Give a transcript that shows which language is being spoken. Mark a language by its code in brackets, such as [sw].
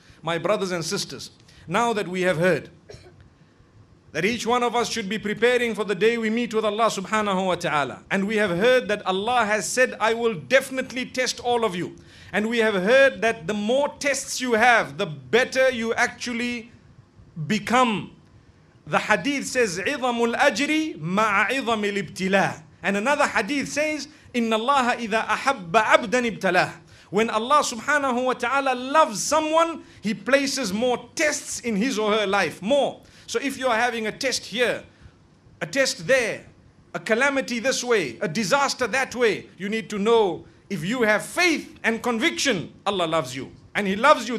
[en] My brothers and sisters, now that we have heard that each one of us should be preparing for the day we meet with Allah subhanahu wa ta'ala, and we have heard that Allah has said, I will definitely test all of you, and we have heard that the more tests you have, the better you actually become. [ar] The hadith says, عِظَمُ الْأَجْرِ مَعَ عِظَمِ الْإِبْتِلَاهِ. And another hadith says, إِنَّ اللَّهَ إِذَا أَحَبَّ عَبْدًا إِبْتَلَاهِ. [en] When Allah subhanahu wa ta'ala loves someone, he places more tests in his or her life, more. So if you are having a test here, a test there, a calamity this way, a disaster that way, you need to know if you have faith and conviction, Allah loves you. And he loves you.